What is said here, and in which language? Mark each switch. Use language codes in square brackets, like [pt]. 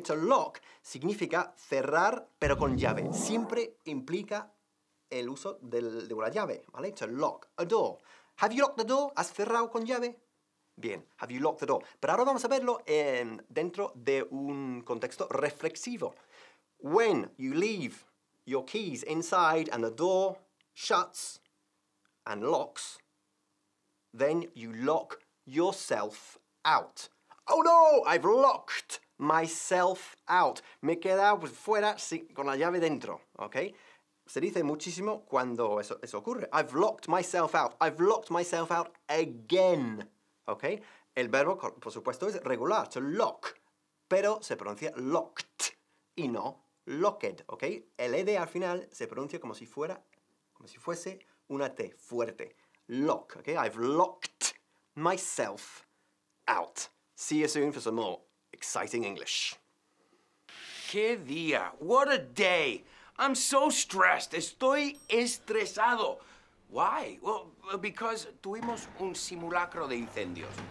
[es] To lock significa cerrar, pero con llave. Siempre implica el uso de una llave, ¿vale? [en] To lock a door. Have you locked the door? [es] ¿Has cerrado con llave? [en] Bien, have you locked the door? [es] Pero ahora vamos a verlo dentro de un contexto reflexivo. [en] When you leave your keys inside and the door shuts and locks, then you lock yourself out. Oh no, I've locked myself out. [es] Me he quedado pues, fuera sin, con la llave dentro, ¿ok? Se dice muchísimo cuando eso ocurre. [en] I've locked myself out. I've locked myself out again, ¿ok? [es] El verbo, por supuesto, es regular, to lock, pero se pronuncia locked y no locked, ¿ok? El ed al final se pronuncia como si fuese una T fuerte. [en] Lock, ¿ok? I've locked myself out. See you soon for some more exciting English. [es] Qué día. [en] What a day. I'm so stressed. Estoy estresado. Why? Well, because tuvimos un simulacro de incendios.